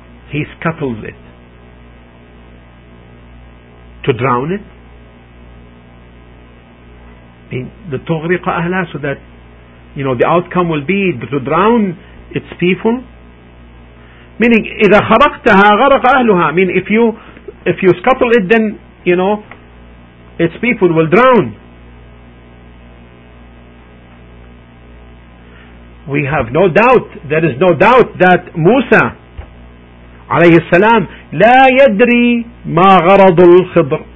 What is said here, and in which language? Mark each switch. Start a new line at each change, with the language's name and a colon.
English: He scuttles it to drown it.
Arabic: لتغرق أهلها,
English: so that you know the outcome will be to drown its people.
Arabic: Meaning إذا خرقتها غرق أهلها.
English: Mean if you scuttle it, then you know its people will drown. We have no doubt, there is no doubt that Musa alayhi salam
Arabic: la yadri ma gharad al-Khidr.